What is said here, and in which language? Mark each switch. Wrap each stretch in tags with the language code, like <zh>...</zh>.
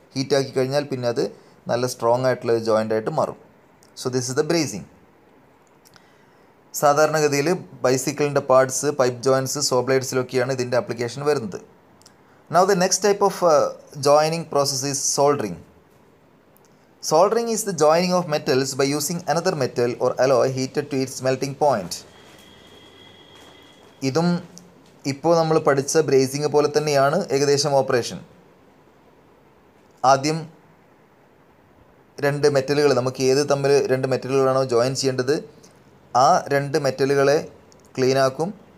<ml>ഹീറ്റാക്കി കഴിഞ്ഞാൽ പിന്നെ അത് നല്ല സ്ട്രോങ് ആയിട്ടുള്ള ജോയിൻ്റ് ആയിട്ട് മാറും.</ml> <en>So this is the brazing.</en> <ml>സാധാരണഗതിയിൽ ബൈസിക്കിളിൻ്റെ പാർട്സ്, പൈപ്പ് ജോയിൻസ്, സോ ബ്ലേഡ്സിലൊക്കെയാണ് ഇതിൻ്റെ അപ്ലിക്കേഷൻ വരുന്നത്.</ml> <en>Now the next type of joining process is soldering. Soldering is the joining of metals by using another metal or alloy heated to its melting point.</en> <ml>ഇതും ഇപ്പോൾ നമ്മൾ പഠിച്ച bracing പോലെ തന്നെയാണ് ഏകദേശം operation. ആദ്യം രണ്ട് മെറ്റലുകൾ, നമുക്ക് ഏത് തമ്മിൽ രണ്ട് മെറ്റലുകളാണോ ജോയിൻ ചെയ്യേണ്ടത് ആ രണ്ട് മെറ്റലുകളെ ക്ലീൻ ആക്കും.</ml>